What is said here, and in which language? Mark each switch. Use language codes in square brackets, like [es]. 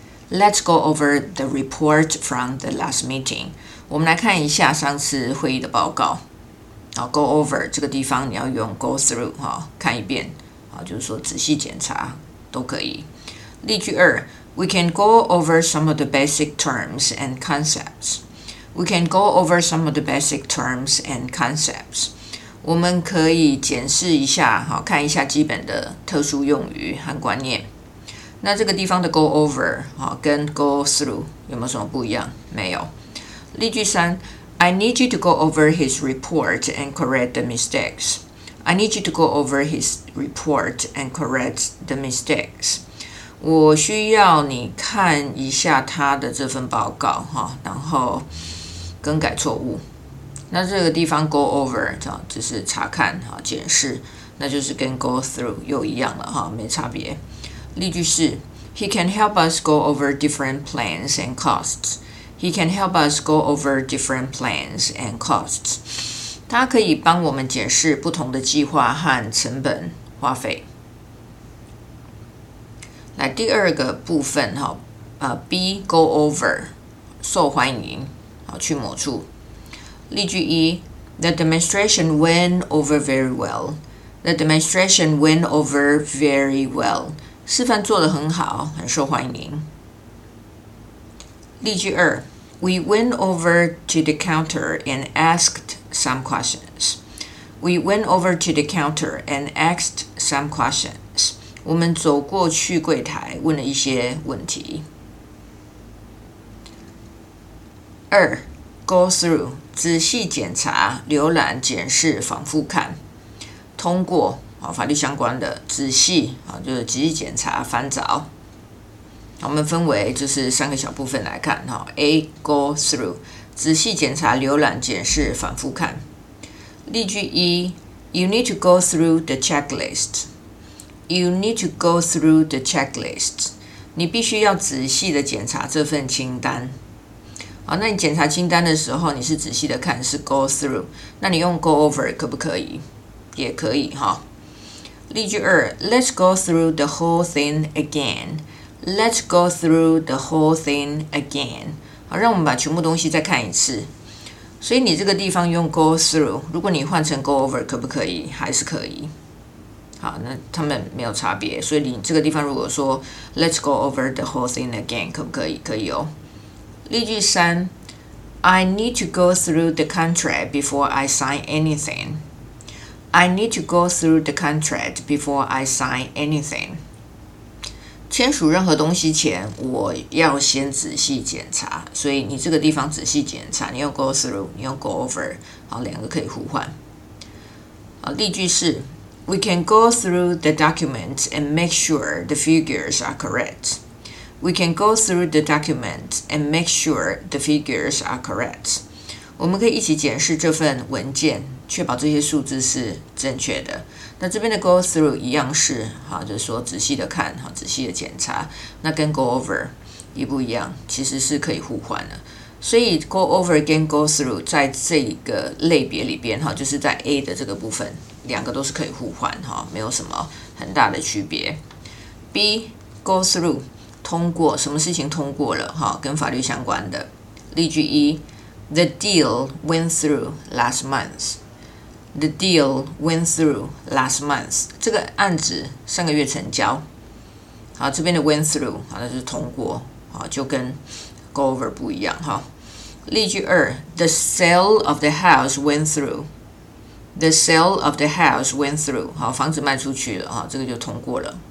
[en] Let's go over the report from the last meeting. [zh] 我们来看一下上次会议的报告。 Go over 这个地方你要用 go through， 看一遍，就是说仔细检查都可以。 [en] 例句二， We can go over some of the basic terms and concepts. We can go over some of the basic terms and concepts. [zh] 我们可以检视一下，看一下基本的特殊用语和观念。那这个地方的 go over 跟 go through 有没有什么不一样？没有。 [en] 例句三， I need you to go over his report and correct the mistakes. I need you to go over his report and correct the mistakes. [zh] 我需要你看一下他的这份报告，然后更改错误。那这个地方 go over 就是查看检视，那就是跟 go through 又一样了，没差别。 [en] 例句是 He can help us go over different plans and costs. He can help us go over different plans and costs. [zh] 他可以帮我们检视不同的计划和成本花费。来，第二个部分 B go over 受欢迎，去某处。 [en] 例句一， The demonstration went over very well. The demonstration went over very well. [zh] 示范做得很好，很受欢迎。 [en] 例句二， We went over to the counter and asked some questions. We went over to the counter and asked some questions. [zh] 我们走过去柜台问了一些问题。 [en] 二， Go through. [zh] 仔细检查、浏览、检视、反复看，通过法律相关的仔细就是仔细检查、翻找。我们分为就是三个小部分来看 A go through 仔细检查、浏览、检视、反复看。 [en] 例句一 ：You need to go through the checklist. You need to go through the checklist. [zh] 你必须要仔细的检查这份清单。好，那你检查清单的时候你是仔细的看，是 go through， 那你用 go over 可不可以？也可以。 [en] 例句二， Let's go through the whole thing again. Let's go through the whole thing again. [zh] 好，让我们把全部东西再看一次。所以你这个地方用 go through， 如果你换成 go over 可不可以？还是可以。好，那他们没有差别，所以你这个地方如果说 [en] Let's go over the whole thing again [zh] 可不可以？可以哦。 [en] 例句三， I need to go through the contract before I sign anything. I need to go through the contract before I sign anything. [zh] 签署任何东西前，我要先仔细检查。所以你这个地方仔细检查，你用 go through， 你用 go over， 好，两个可以互换。 [en] 好，例句四， We can go through the documents and make sure the figures are correct. We can go through the document and make sure the figures are correct. [zh] 我们可以一起检视这份文件，确保这些数字是正确的。那这边的 go through 一样是，就是说仔细的看，仔细的检查。那跟 go over 一不一样？其实是可以互换的。所以 go over 跟 go through 在这个类别里边，就是在 A 的这个部分，两个都是可以互换，没有什么很大的区别。 B go through。 通过什么事情通过了，跟法律相关的。例句一， [en] The deal went through last month. The deal went through last month. [zh] 这个案子上个月成交。好，这边的 went through， 好，那就是通过，好，就跟 go over 不一样。 [en] 好，例句二， The sale of the house went through. The sale of the house went through. [zh] 好，房子卖出去了，好，这个就通过了。